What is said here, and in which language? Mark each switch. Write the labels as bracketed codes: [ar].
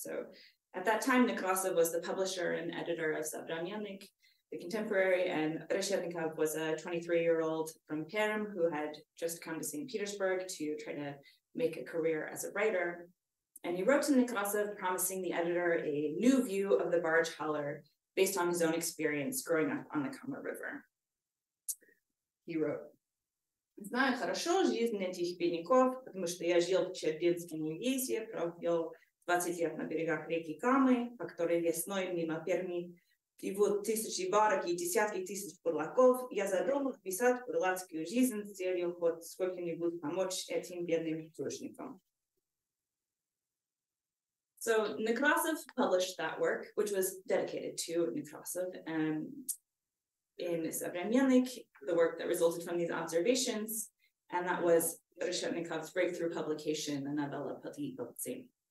[en] So at that time, Nekrasov was the publisher and editor of Savranyanik, the contemporary, and Reshetnikov was a 23-year-old from Perm who had just come to St. Petersburg to try to make a career as a writer. And he wrote to Nekrasov promising the editor a new view of the barge hauler based on his own experience growing up on the Koma River. He wrote, [ru] "Знаю хорошо жизнь этих бедняков, потому что я жил в Чердинском уезде, провел 20 лет на берегах реки Камы, по которой весной мимо Перми, и вот тысячи барок и десятки тысяч бурлаков, я задумал писать бурлацкую жизнь с целью вот сколько-нибудь помочь этим бедным художникам." [en] So Nekrasov published that work, which was dedicated to Nekrasov, in Savremyanik, the work that resulted from these observations, and that was Reshetnikov's breakthrough publication, the novella Potemkin.